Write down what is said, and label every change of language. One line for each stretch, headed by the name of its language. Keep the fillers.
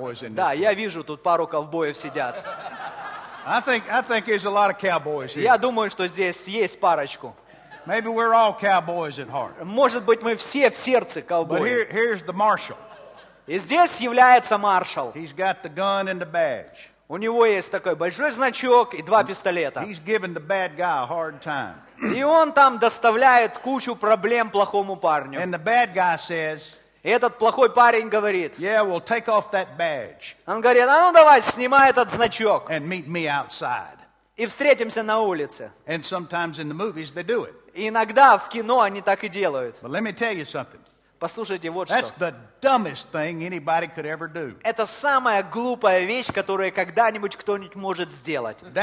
Russian: Да, я вижу, тут пару ковбоев сидят.
English: I think, I think
Russian: я думаю, что здесь есть парочку.
English: Maybe we're all cowboys at heart.
Russian: Может быть, мы все в сердце ковбои.
English: But here,
Russian: И здесь является маршал.
English: He's got the gun and the badge.
Russian: У него есть такой большой значок и два пистолета.
English: He's giving the bad guy a hard time.
Russian: И он там доставляет кучу проблем плохому парню.
English: And the bad guy says,
Russian: и этот плохой парень говорит,
English: yeah, we'll take off that badge.
Russian: он говорит, а ну давай, снимай этот значок.
English: And meet me outside.
Russian: И встретимся на улице.
English: And sometimes in the movies they do it.
Russian: И иногда в кино они так и делают.
English: But let me tell you something.
Russian: Послушайте, вот
English: That's
Russian: что.
English: The dumbest thing anybody could ever do.
Russian: Это самая глупая вещь, которую когда-нибудь кто-нибудь может сделать.